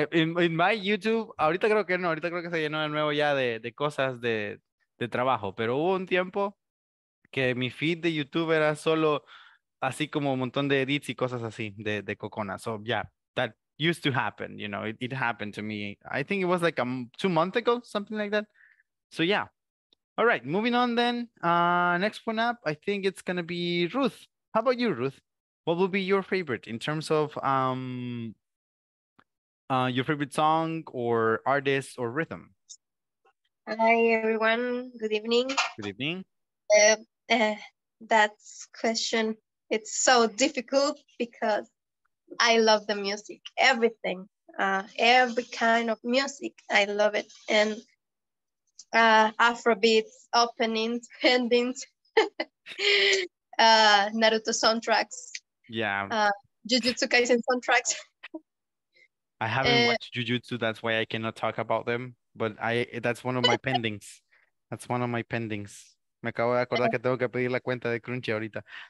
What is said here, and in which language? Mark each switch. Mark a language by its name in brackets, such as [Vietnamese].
[English] In my YouTube, [Spanish] ahorita creo que se llenó de nuevo ya de cosas de trabajo. Pero hubo un tiempo que mi feed de YouTube era solo así como un montón de edits y cosas así de Cocona. [English] So, yeah. That used to happen, you know, it happened to me. I think it was like 2 months ago, something like that. So, yeah. All right, moving on then. Next one up, I think it's going to be Ruth. How about you, Ruth? What would be your favorite in terms of your favorite song or artist or rhythm? Hi everyone, good evening. Good evening. That question, it's so difficult because I love the music, everything, every kind of music, I love it. And Afrobeats, openings, endings, Naruto soundtracks. Yeah. Jujutsu Kaisen soundtracks. I haven't watched Jujutsu, that's why I cannot talk about them. But that's one of my pendings. That's one of my pendings. [Spanish] Me acabo de acordar que tengo que pedir la cuenta de Crunchy ahorita.